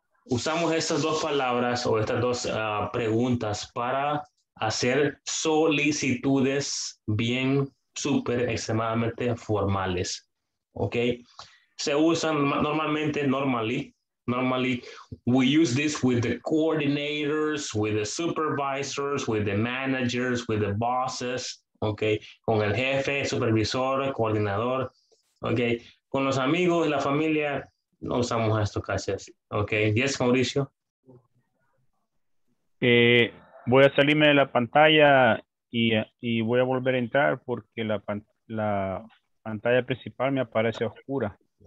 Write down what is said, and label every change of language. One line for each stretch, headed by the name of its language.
Spanish: Usamos estas dos palabras o estas dos preguntas para hacer solicitudes bien, súper, extremadamente formales. Okay. Se usan normalmente
English: Normally, we use this with the coordinators, with the supervisors, with the managers, with the bosses, okay?
Spanish: Con el jefe, supervisor, coordinador, okay? Con los amigos y la familia, no usamos esto casi así, okay?
English: Yes, Mauricio.
Spanish: Voy a salirme de la pantalla y voy a volver a entrar porque la pantalla principal me aparece oscura.